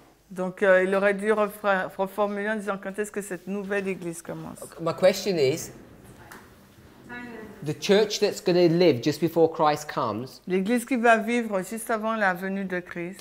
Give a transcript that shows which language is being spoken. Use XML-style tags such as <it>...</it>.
<fr>Donc, il aurait dû reformuler en disant quand est-ce que cette nouvelle église commence.</fr> <en>My question is, the church that's going to live just before Christ comes.</en> <fr>L'église qui va vivre juste avant la venue de Christ.</fr>